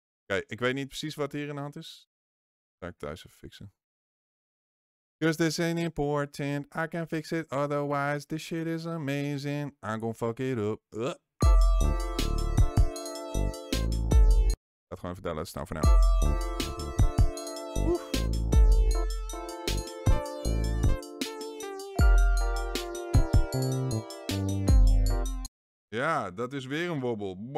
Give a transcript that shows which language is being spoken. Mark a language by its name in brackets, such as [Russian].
[Dutch] Okay, ik weet niet precies wat hier in de hand is. Ga ik thuis even fixen. [English] Because this ain't important, I can fix it, otherwise this shit is amazing, I'm gonna fuck it up. [Dutch] Ik ga het gewoon even daar laten staan voor nu. Ja, dat is weer een wobbel.